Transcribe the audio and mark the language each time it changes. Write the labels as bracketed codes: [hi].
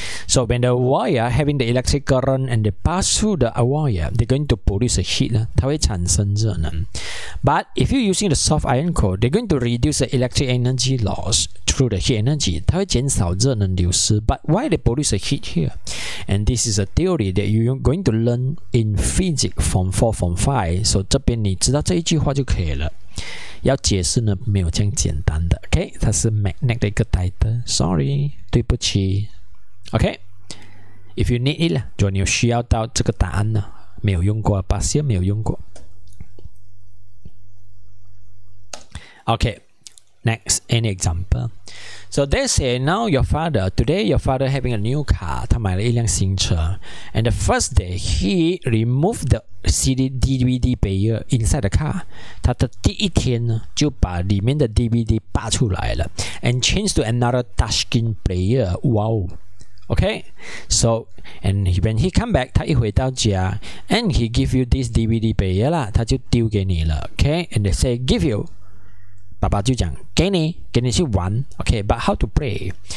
[en] So when the wire having the electric current and they pass through the wire, they're going to produce a heat, [zh] 它会产生热能。 [en] But if you're using the soft iron core, they're going to reduce the electric energy loss through the heat energy, [zh] 它会减少热能流失。 [en] But why they produce a heat here? And this is a theory that you're going to learn in physics from 4, from 5. [zh] So 这边你知道这一句话就可以了。要解释呢，没有这样简单的。 Okay, 它是 magnet 的一个 title. Sorry, 对不起。 [en] Okay, if you need it, [zh] 如果你需要到这个答案呢，没有用过，巴西没有用过。 [en] Okay, next, any example? So they say, now your father, today your father having a new car, [zh] 他买了一辆新车。 [en] And the first day, he removed the CD, DVD player inside the car. [zh] 他的第一天呢，就把里面的 DVD 拔出来了。 [en] And changed to another touchscreen player, wow. Okay, so, and when he come back, [zh] 他一回到家, [en] and he give you this DVD player 啦, [zh] 他就丢给你了, [en] okay, and they say, give you, [zh] 爸爸就讲, 给你去玩, [en] okay, but how to play?